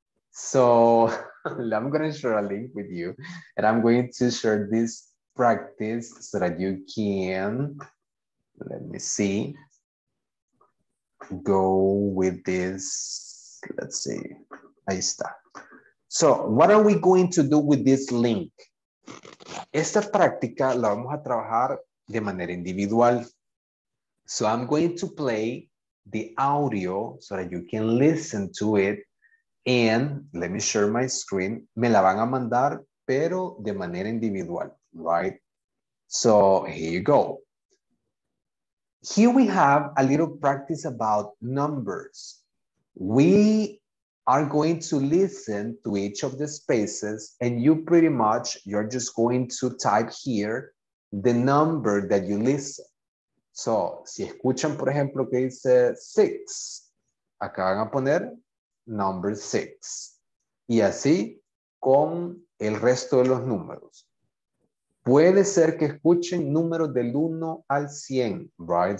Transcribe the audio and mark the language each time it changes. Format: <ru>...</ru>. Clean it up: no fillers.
<en>So I'm going to share a link with you and I'm going to share this practice so that you can, let me see, go with this. Let's see.</en> <es>Ahí está.</es> <en>So what are we going to do with this link?</en> <es>Esta práctica la vamos a trabajar de manera individual.</es> <en>So I'm going to play the audio so that you can listen to it. And let me share my screen.</en> <es>Me la van a mandar, pero de manera individual, right?</es> <en>So here you go. Here we have a little practice about numbers. We are going to listen to each of the spaces and you pretty much, you're just going to type here the number that you listen.</en> <es>So, si escuchan, por ejemplo, que dice six, acá van a poner number six. Y así con el resto de los números. Puede ser que escuchen números del 1 al 100, right?</es>